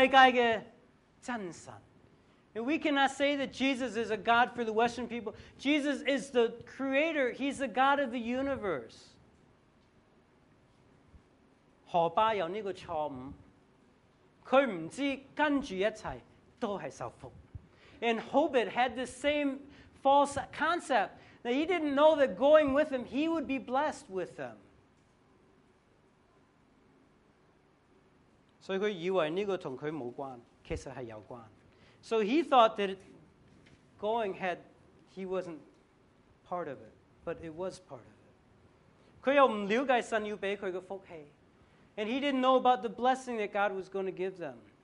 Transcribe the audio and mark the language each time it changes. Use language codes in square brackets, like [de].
[zh] 如果是這樣，中國人怎麼可以說耶穌就是西人的教？耶穌是全世界的真神。 [en] And we cannot say that Jesus is a God for the Western people. Jesus is the creator. He's the God of the universe. [zh] 何巴有這個錯誤，他不知道跟著一起都是受福。 [en] And Hobit had the same false concept. Now he didn't know that going with him, he would be blessed with them. [zh] 所以他以為這個跟他無關，其實是有關。 [en] So he thought that going had, he wasn't part of it, but it was part of it. [zh] 他又不了解神要給他的福氣, [en] and he didn't know about the blessing that God was going to give them.